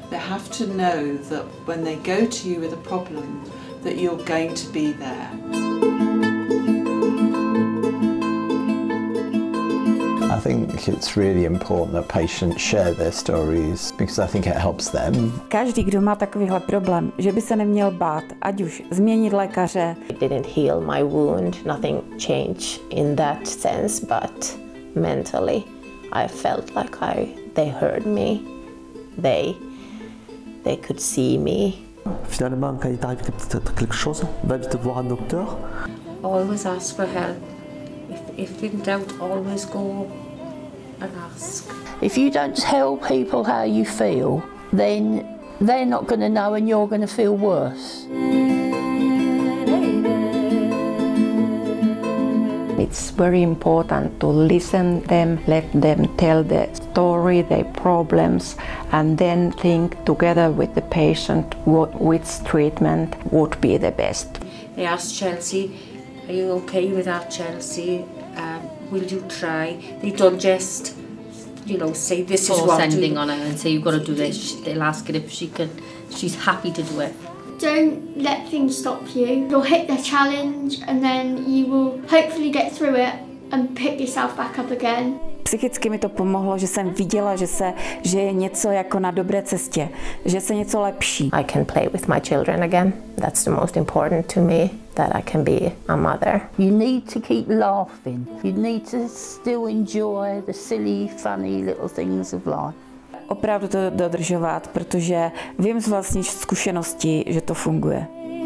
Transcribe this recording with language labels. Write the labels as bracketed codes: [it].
[en] They have to know that when they go to you with a problem, that you're going to be there. I think it's really important that patients share their stories, because I think it helps them. [cs] Každý, kdo má takovýhle problém, že by se neměl bát, ať už změnit lékaře. [en] It didn't heal my wound, nothing changed in that sense, but mentally I felt like they heard me, they could see me. [fr] Finalement, quand il t'arrive peut-être quelque chose, va vite voir un docteur. [en] Always ask for help. If in doubt, always go and ask. If you don't tell people how you feel, then they're not going to know and you're going to feel worse. It's very important to listen to them, let them tell their story, their problems, and then think together with the patient which treatment would be the best. They ask Chelsea, are you okay with that, Chelsea? Will you try? They don't just, you know, say this Before is what sending on her and say you've got to do this. They'll ask her if she can. She's happy to do it. Don't let things stop you. You'll hit the challenge and then you will hopefully get through it and pick yourself back up again. [cs] Psychicky mi to pomohlo, že jsem viděla, že je něco jako na dobré cestě, že se něco lepší. [en] I can play with my children again. That's the most important to me, that I can be a mother. You need to keep laughing. You need to still enjoy the silly, funny little things of life. [cs] Opravdu to dodržovat, protože vím z vlastní zkušenosti, že to funguje.